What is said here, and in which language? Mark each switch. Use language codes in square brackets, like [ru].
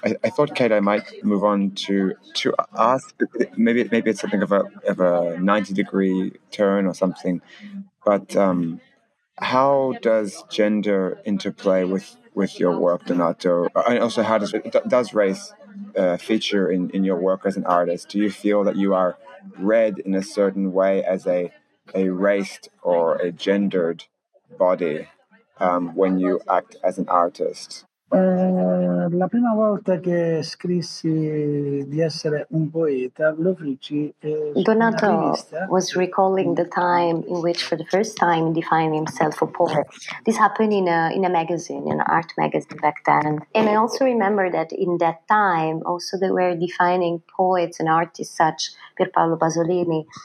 [en] I thought, Kate, I might move on to ask, maybe it's something of a 90 degree turn or something, but how does gender interplay with your work, Donato? And also, how does race feature in your work as an artist? Do you feel that you are read in a certain way as a raced or a gendered body? When you act as an artist, [it] La prima volta che scrissi di essere un poeta, lo feci [en] Donato was recalling the time in which, for the first time, he defined himself a poet. This happened in a magazine, an art magazine back then. And I also remember that in that time, also they were defining poets and artists such Pier Paolo Pasolini.